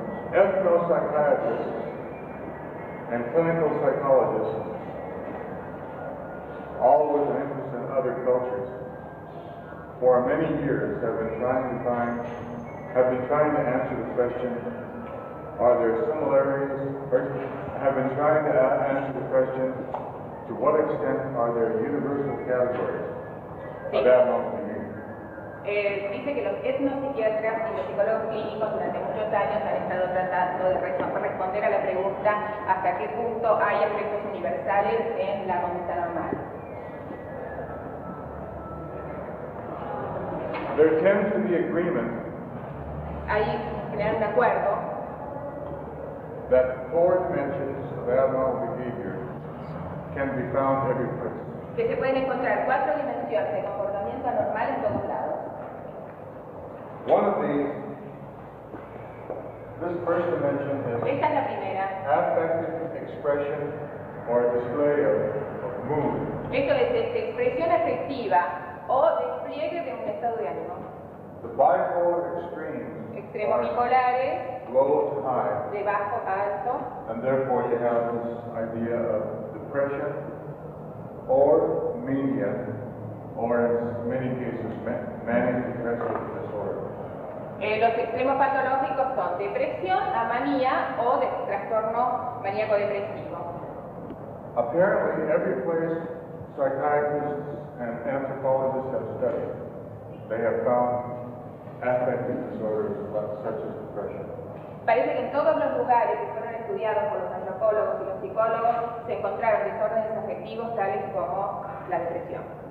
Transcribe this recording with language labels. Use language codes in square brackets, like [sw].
[en] Ethnopsychiatrists and clinical psychologists, all with an interest in other cultures, for many years have been trying to answer answer the question, are there similarities, or have been trying to answer the question, to what extent are there universal categories of abnormal behavior? [es] Dice que los etnopsiquiatras y los psicólogos clínicos durante muchos años han estado tratando de responder a la pregunta hasta qué punto hay efectos universales en la conducta normal. [en] There tends to be agreement. [es] Hay generalmente un acuerdo. [en] That four dimensions of abnormal behavior can be found everywhere. [es] Que se pueden encontrar cuatro dimensiones de comportamiento anormal en todos lados. [en] One of these, this first dimension is affective expression or display of mood. [es] Esto es expresión afectiva o despliegue de un estado de ánimo. [en] The bipolar extremes [es] extremos bipolares, [en] low to high, [es] de bajo a alto, [en] and therefore you have this idea of depression or mania, or in many cases manic depressive disorder. [es] Los extremos patológicos son depresión, amanía o de trastorno maníaco-depresivo. [en] Apparently, every place psychiatrists and anthropologists have studied, they have found affective disorders such as depression. [es] Parece que en todos los lugares que fueron estudiados por los antropólogos y los psicólogos se encontraron desórdenes afectivos tales como la depresión.